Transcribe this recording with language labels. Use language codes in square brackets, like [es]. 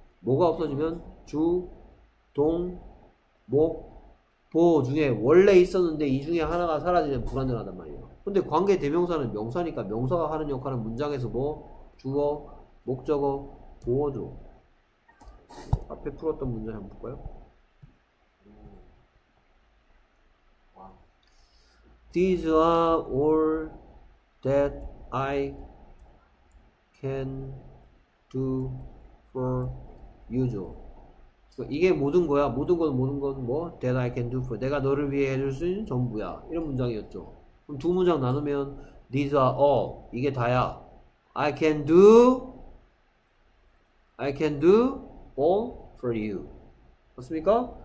[ko] 뭐가 없어지면 주, 동, 목, 보어 중에 원래 있었는데 이 중에 하나가 사라지면 불완전하단 말이에요. 근데 관계 대명사는 명사니까 명사가 하는 역할은 문장에서 뭐 주어, 목적어, 보어죠. 앞에 풀었던 문장 한번 볼까요? [en] These are all that I can do for you. [ko] 이게 모든 거야. 모든 건 모든 건 뭐? [en] That I can do for. [ko] 내가 너를 위해 해줄 수 있는 전부야. 이런 문장이었죠. 그럼 두 문장 나누면 [en] These are all. [ko] 이게 다야. [en] I can do all for you. 맞습니까?